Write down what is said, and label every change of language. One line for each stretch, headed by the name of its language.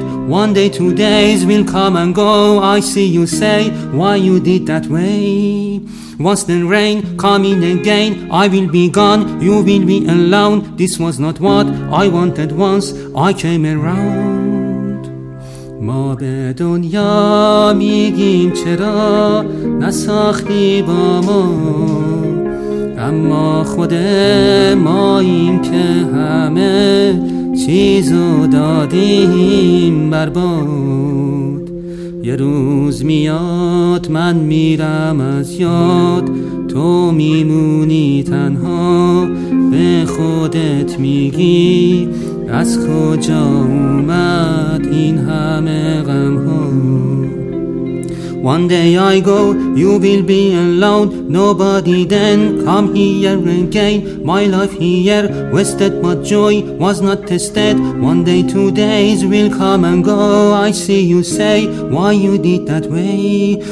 English: One day, 2 days will come and go. I see you say, why you did that way? Once the rain coming again, I will be gone, you will be alone. This was not what I wanted once I came around.
Persian: ما به دنیا میگیم چرا نساختی با ما، اما خود ماییم که همه چیزو دادیم برباد. یه روز میاد من میرم از یاد، تو میمونی تنها، به خودت میگی از کجا اومد این همه غم ها.
English: One day I go, you will be alone. Nobody then come here again. My life here wasted, but joy was not tested. One day, 2 days will come and go. I see you say, why you did that way?